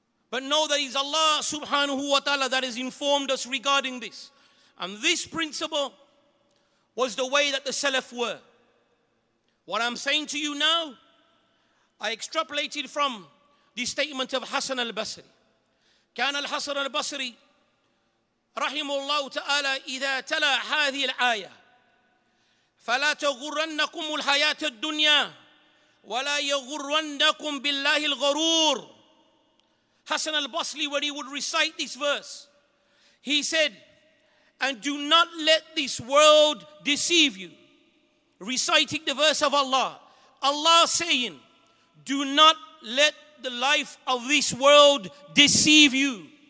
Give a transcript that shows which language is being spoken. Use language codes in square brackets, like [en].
[en] But know that it's Allah subhanahu wa ta'ala that has informed us regarding this. And this principle was the way that the Salaf were. What I'm saying to you now, I extrapolated from the statement of Hassan al-Basri. [ar] كان الحسن البصري رحمه الله تعالى إذا تلا هذه الآية فلا تغرنكم الحياة الدنيا ولا يغرنكم بالله الغرور. [en] Hassan al-Basri, when he would recite this verse, he said, and do not let this world deceive you. Reciting the verse of Allah. Allah saying, do not let the life of this world deceive you.